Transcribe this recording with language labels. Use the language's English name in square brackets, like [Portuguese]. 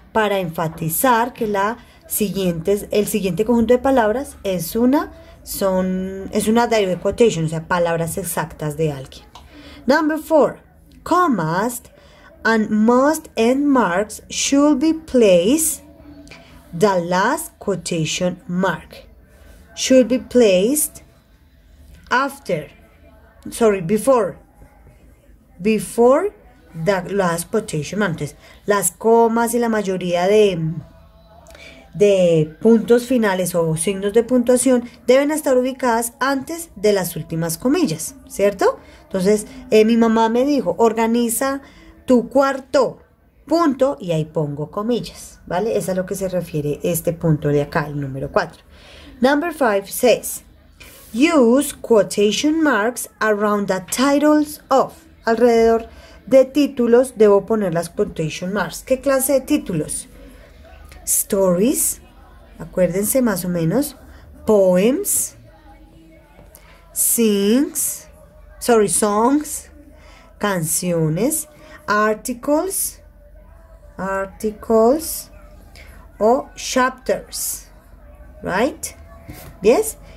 [Spanish] Para enfatizar que el siguiente conjunto de palabras es una direct quotation, o sea, palabras exactas de alguien. [English] Number four, commas and must end marks should be placed the last quotation mark. Should be placed after. Sorry, before. Before the last quotation mark. [Spanish] Entonces, las comas y la mayoría de puntos finales o signos de puntuación deben estar ubicadas antes de las últimas comillas, ¿cierto? Entonces, mi mamá me dijo, organiza tu cuarto punto y ahí pongo comillas, ¿vale? Es a lo que se refiere este punto de acá, el número 4. [English] Number 5 says, use quotation marks around the titles of. [Spanish] Alrededor de títulos debo poner las quotation marks. ¿Qué clase de títulos? Stories, acuérdense más o menos, poems, songs, canciones, articles, o chapters, [English] right? Yes?